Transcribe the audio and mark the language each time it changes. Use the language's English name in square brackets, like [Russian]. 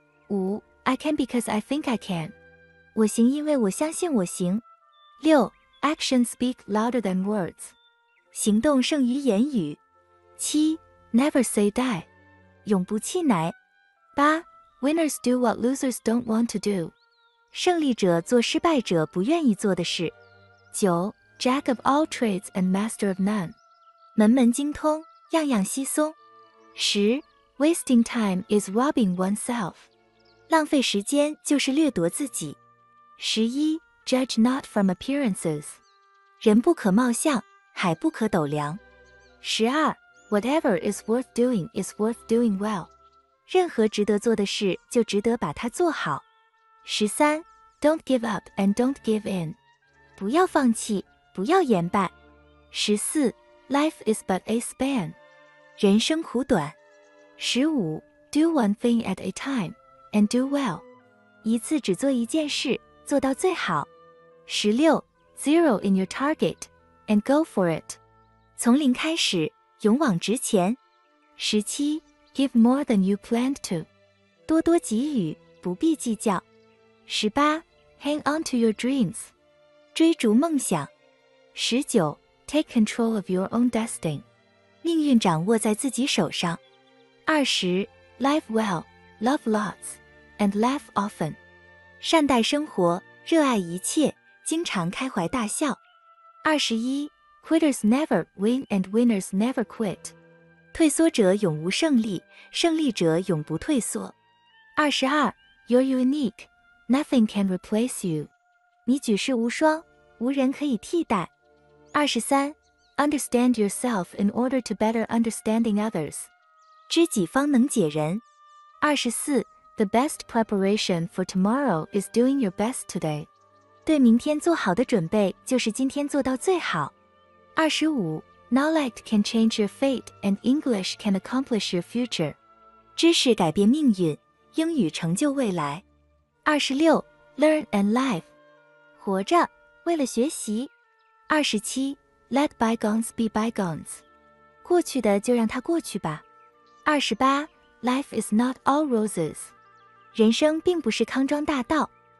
[English] 五 ,I can because I think I can. [Chinese] 我行因为我相信我行。六 , [English] actions speak louder than words. [Chinese] 行动胜于言语。七 , [English] never say die. [Chinese] 永不气馁。 [English] 八 ,winners do what losers don't want to do. [Chinese] 胜利者做失败者不愿意做的事。 [English] 九 ,jack of all trades and master of none. [Chinese] 门门精通，样样稀松。十 , [English] wasting time is robbing oneself. [Chinese] 浪费时间就是掠夺自己。十一 , [English] judge not from appearances. [Chinese] 人不可貌相。海不可斗量。 [English] 十二 ,whatever is worth doing is worth doing well. [Chinese] 任何值得做的事就值得把它做好。 [English] 十三 ,don't give up and don't give in. [Chinese] 不要放弃，不要言败。十四 , [English] life is but a span. [Chinese] 人生苦短。 [English] 十五 ,do one thing at a time, and do well. [Chinese] 一次只做一件事，做到最好。 [English] 十六 ,zero in your target. And go for it. [Chinese] 从零开始，勇往直前。 [English] 十七 ,give more than you planned to. [Chinese] 多多给予，不必计较。十八 , [English] hang on to your dreams. [Chinese] 追逐梦想。 [English] 十九 ,take control of your own destiny. [Chinese] 命运掌握在自己手上。 [English] 二十 ,live well, love lots, and laugh often. [Chinese] 善待生活，热爱一切，经常开怀大笑。 [English] 二十一 ,quitters never win and winners never quit. [Chinese] 退缩者永无胜利，胜利者永不退缩。 [English] 二十二 ,you're unique, nothing can replace you. [Chinese] 你举世无双，无人可以替代。 [English] 二十三 ,understand yourself in order to better understanding others. [Chinese] 知己方能解人。 [English] 二十四 ,the best preparation for tomorrow is doing your best today. [Chinese] 对明天做好的准备就是今天做到最好。 [English] 二十五 ,knowledge can change your fate and English can accomplish your future. [Chinese] 知识改变命运，英语成就未来。二十六 , [English] learn and live. [Chinese] 活着为了学习。二十七 , [English] let bygones be bygones. [Chinese] 过去的就让它过去吧。 [English] 二十八 ,life is not all roses. [Chinese] 人生并不是康庄大道。